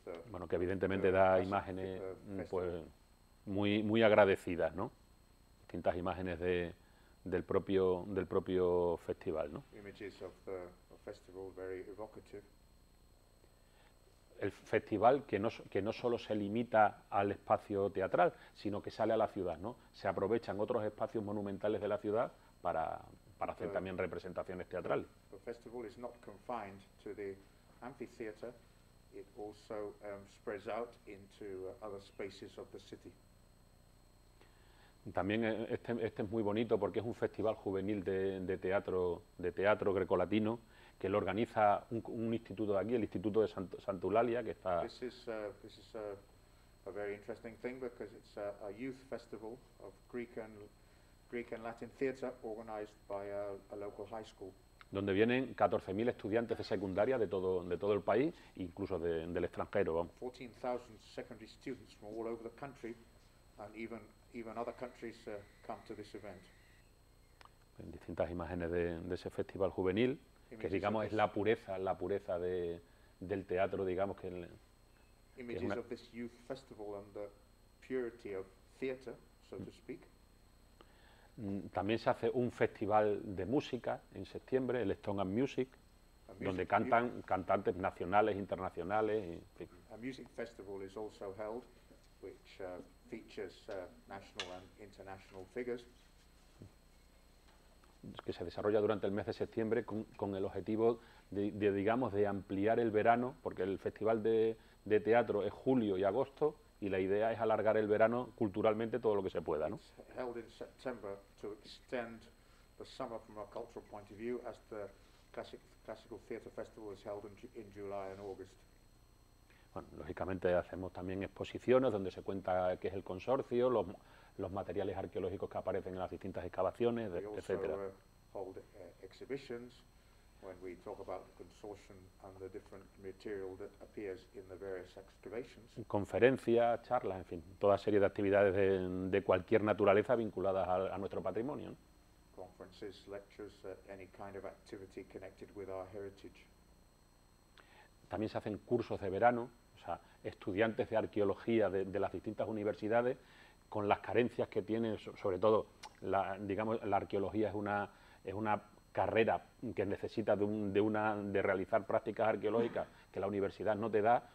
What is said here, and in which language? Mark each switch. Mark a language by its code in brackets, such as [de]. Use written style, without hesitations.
[es] Bueno, que evidentemente da imágenes pues muy muy agradecidas, ¿no? Distintas imágenes del propio festival, ¿no? [en] Images of the festival, very evocative. [es] El festival que no solo se limita al espacio teatral, sino que sale a la ciudad, ¿no? Se aprovechan otros espacios monumentales de la ciudad para hacer también representaciones teatrales. [en] The festival is not confined to the amphitheater, it also spreads out into other spaces of the city. [es] También este es muy bonito porque es un festival juvenil de teatro grecolatino que lo organiza un instituto de aquí, el Instituto de Santulalia, que está... [en] This is a very interesting thing because it's a youth festival of Greek and Latin theater organized by a local high school. [es] Donde vienen 14.000 estudiantes de secundaria de todo el país, incluso del extranjero. [en] 14,000 secondary students from all over the country, and even other countries come to this event. [es] En distintas imágenes de ese festival juvenil, que digamos es la pureza del teatro, digamos que. [en] Images of this youth festival and the purity of theater, so to speak. [es] También se hace un festival de música en septiembre, el Stone and Music, donde cantan cantantes nacionales, internacionales. [en] A music festival is also held, which features national and international figures. [es] Que se desarrolla durante el mes de septiembre con el objetivo de ampliar el verano, porque el festival de teatro es julio y agosto, y la idea es alargar el verano culturalmente todo lo que se pueda, ¿no? [en] It's held in September to extend the summer from a cultural point of view, as the classical theatre festival is held in July and August. [es] Bueno, lógicamente hacemos también exposiciones donde se cuenta qué es el consorcio, los materiales arqueológicos que aparecen en las distintas excavaciones, etc. [en] We also hold exhibitions when we talk about the consortium and the different material that appears in the various excavations. [es] Conferencias, charlas, en fin, toda serie de actividades de cualquier naturaleza vinculadas a nuestro patrimonio, ¿no? [en] Conferences, lectures, any kind of activity connected with our heritage. [es] También se hacen cursos de verano, o sea, estudiantes de arqueología de las distintas universidades, con las carencias que tiene, sobre todo, la arqueología es una carrera que necesita de realizar prácticas arqueológicas que la universidad no te da.